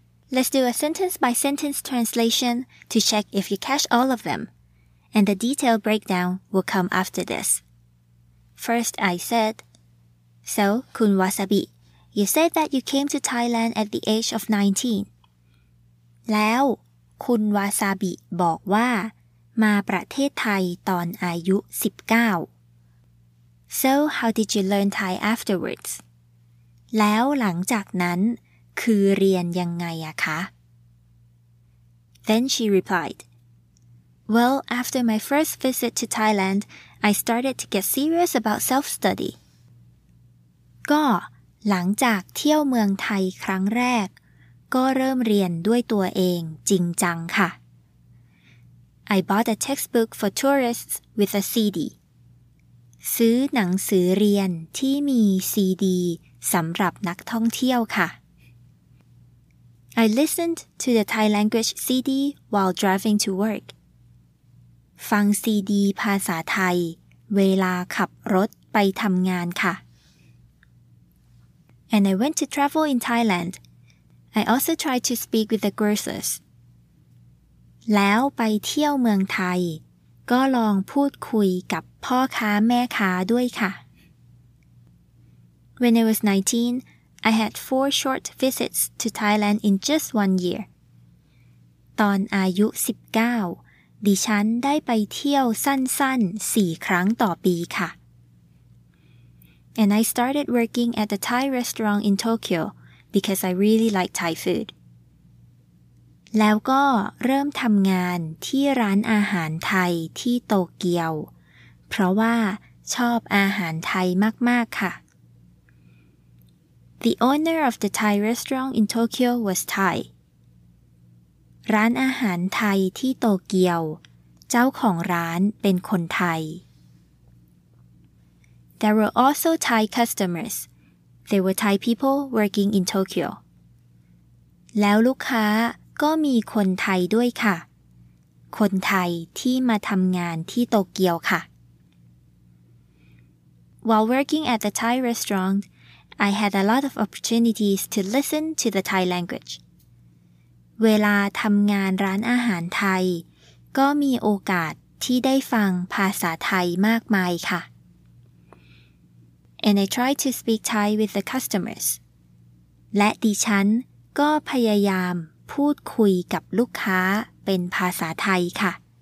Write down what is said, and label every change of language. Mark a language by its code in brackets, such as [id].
[en] Let's do a sentence-by-sentence translation to check if you catch all of them. And the detailed breakdown will come after this. First, I said, So, Khun Wasabi, you said that you came to Thailand at the age of 19. [th] แล้วคุณวาซาบิบอกว่ามาประเทศไทยตอนอายุ19. [en] So, how did you learn Thai afterwards? [th] แล้วหลังจากนั้นคือเรียนยังไงอะคะ [en] Then she replied, Well, after my first visit to Thailand, I started to get serious about self-study. [th] ก็หลังจากเที่ยวเมืองไทยครั้งแรกก็เริ่มเรียนด้วยตัวเองจริงจังค่ะ [en] I bought a textbook for tourists with a CD. ซื้อหนังสือเรียนที่มีซีดีสำหรับนักท่องเที่ยวค่ะ I listened to the Thai language CD while driving to work [th] ฟังซีดีภาษาไทยเวลาขับรถไปทำงานค่ะ [en] And I went to travel in Thailand I also tried to speak with the grocers [th] แล้วไปเที่ยวเมืองไทยก็ลองพูดคุยกับพ่อค้าแม่ค้าด้วยค่ะ [en] When I was 19, I had 4 short visits to Thailand in just 1 year. [th] ตอนอายุ19, ดิฉันได้ไปเที่ยวสั้นๆ 4 ครั้งต่อปีค่ะ. [en] And I started working at the Thai restaurant in Tokyo because I really like Thai food. [th] แล้วก็เริ่มทำงานที่ร้านอาหารไทยที่โตเกียวเพราะว่าชอบอาหารไทยมากๆค่ะ. [en] The owner of the Thai restaurant in Tokyo was Thai. [th] ร้านอาหารไทยที่โตเกียวเจ้าของร้านเป็นคนไทย [en] There were also Thai customers. There were Thai people working in Tokyo. [th] แล้วลูกค้าก็มีคนไทยด้วยค่ะคนไทยที่มาทำงานที่โตเกียวค่ะ [en] While working at the Thai restaurant, I had a lot of opportunities to listen to the Thai language. [th] เวลาทำงานร้านอาหารไทยก็มีโอกาสที่ได้ฟังภาษาไทยมากมายค่ะ [en] And I tried to speak Thai with the customers. [th] และดิฉันก็พยายามพูดคุยกับลูกค้าเป็นภาษาไทยค่ะ